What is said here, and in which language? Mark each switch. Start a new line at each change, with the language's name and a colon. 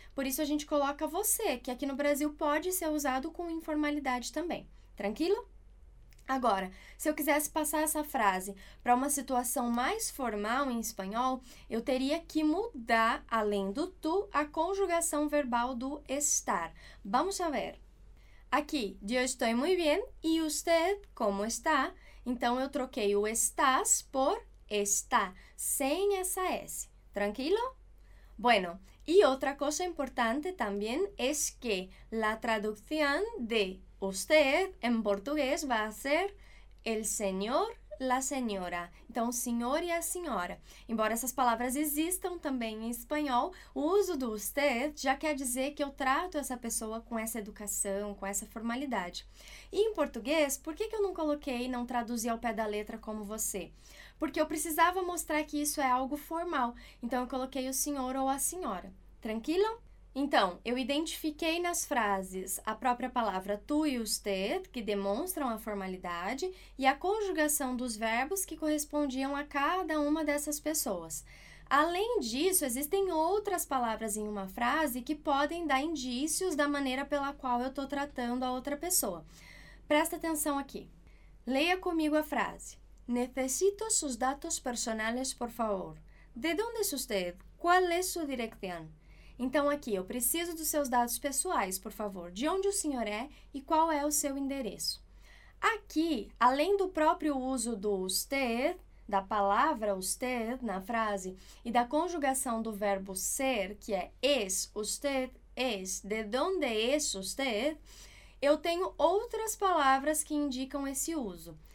Portuguese: Por isso, a gente coloca você, que aqui no Brasil pode ser usado com informalidade também. Tranquilo? Agora, se eu quisesse passar essa frase para uma situação mais formal em espanhol, eu teria que mudar, além do tu, a conjugação verbal do estar.
Spanish: Vamos a ver. Aqui, yo estoy muy bien, y usted, ¿cómo está?
Portuguese: Então, eu troquei o estás por está, sem essa S. Tranquilo?
Spanish: Bueno, y otra cosa importante también es que la traducción de usted en portugués va a ser el señor, la señora.
Portuguese: Então, senhor e a senhora. Embora essas palavras existam também em espanhol, o uso do usted já quer dizer que eu trato essa pessoa com essa educação, com essa formalidade. E em português, por que eu não coloquei, não traduzi ao pé da letra como você? Porque eu precisava mostrar que isso é algo formal. Então, eu coloquei o senhor ou a senhora. Tranquilo? Então, eu identifiquei nas frases a própria palavra tu e usted, que demonstram a formalidade, e a conjugação dos verbos que correspondiam a cada uma dessas pessoas. Além disso, existem outras palavras em uma frase que podem dar indícios da maneira pela qual eu estou tratando a outra pessoa. Presta atenção aqui. Leia comigo a frase.
Spanish: Necesito sus datos personales, por favor. De dónde es usted? ¿Cuál es su dirección?
Portuguese: Então, aqui, eu preciso dos seus dados pessoais, por favor. De onde o senhor é e qual é o seu endereço? Aqui, além do próprio uso do usted, da palavra usted na frase, e da conjugação do verbo ser, que é
Spanish: es usted, es, de donde es usted,
Portuguese: eu tenho outras palavras que indicam esse uso.